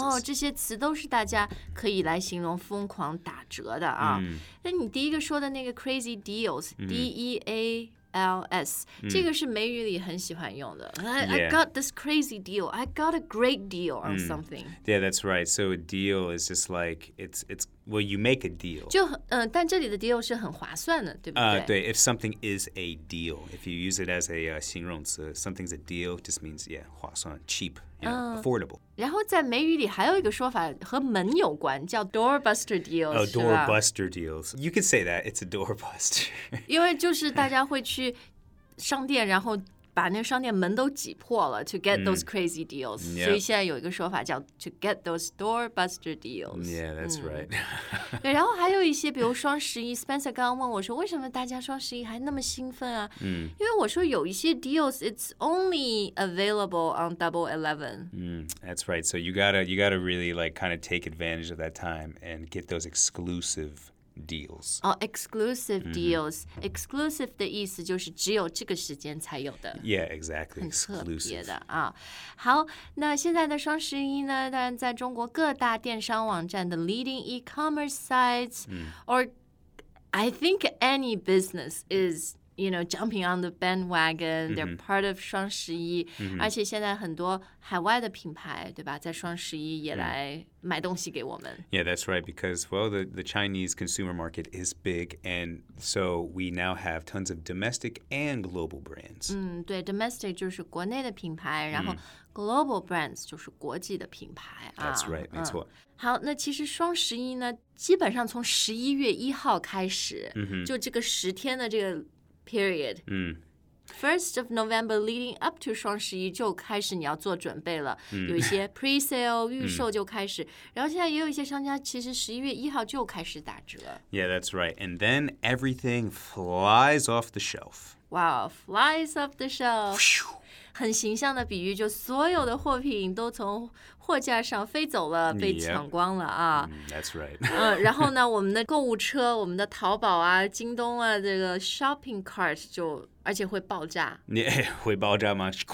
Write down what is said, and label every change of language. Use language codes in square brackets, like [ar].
[zh] Oh 这些词都是大家可以来形容疯狂打折的啊那、你第一个说的那个 crazy deals DEALS、这个是美语里很喜欢用的 [en] I got this crazy deal I got a great deal on something Yeah that's right So a deal is just like It's Well you make a deal [zh] 就、但这里的 deal 是很划算的对不对、 [en] 对 If something is a deal If you use it as a、形容词 Something's a deal Just means yeah [zh] 划算 [en] Cheap you know,、Affordable [zh] 然后在美语里还有一个说法和门有关叫 doorbuster deals [en] Oh doorbuster deals You could say that It's a doorbuster [zh] 因为就是大家会去商店然后把那商店门都挤破了 [en] to get those crazy deals、 [zh] 所以现在有一个说法叫 [en] to get those doorbuster deals yeah that's right [zh] 对然后还有一些比如双十一 Spencer 刚刚问我说为什么大家双十一还那么兴奋啊、因为我说有一些 deals [en] it's only available on double 11 that's right so you gotta really like kind of take advantage of that time and get those exclusivedeals. Oh, exclusive deals. [zh] Exclusive 的意思就是只有这个时间才有的。 [en] Yeah, exactly. [zh] 很特别的啊。好，那现在的双十一呢？当然，在中国各大电商网站的 [en] leading e-commerce sites, or I think any business is, you know, jumping on the bandwagon. They're part of 双十一。 [zh] 而且现在很多海外的品牌，对吧？在双十一也来。买东西给我们 [en] Yeah, that's right, because, well, the Chinese consumer market is big, and so we now have tons of domestic and global brands. [zh] 对, domestic 就是国内的品牌,然后 global brands 就是国际的品牌。 [en] That's right, [zh] 没错。好,那其实双十一呢,基本上从11月1号开始,就这个十天的这个 period。 [en] First of November leading up to [zh] 双十一就开始你要做准备了、有一些 pre-sale 预售就开始、然后现在也有一些商家其实11月1号就开始打折 [en] Yeah, that's right. And then everything flies off the shelf. Wow, flies off the shelf. [zh] 很形象的比喻就所有的货品都从货架上飞走了、被抢光了啊。 [en] That's right. [zh] 然后呢我们的购物车我们的淘宝啊京东啊这个 shopping cart 就而且会爆炸，你、会爆炸吗？